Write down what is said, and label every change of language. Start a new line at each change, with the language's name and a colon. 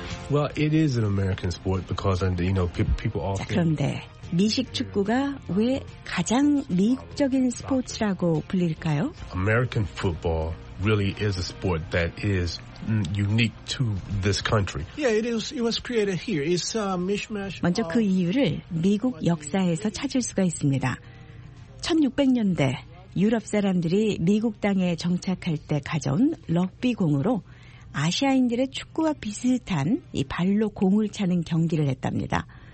English: Well, it is an American sport because, you know, people often.
Korean: 자, 그런데 미식축구가 왜 가장 미국적인 스포츠라고 불릴까요?
English: American football really is a sport that is unique to this country. Yeah, it was created here. It's a mishmash.
Korean: 먼저 그 이유를 미국 역사에서 찾을 수가 있습니다. 1600년대. 유럽 사람들이 미국 땅에 정착할 때 가져온 럭비공으로 아시아인들의 축구와 비슷한 이 발로 공을 차는 경기를 했답니다.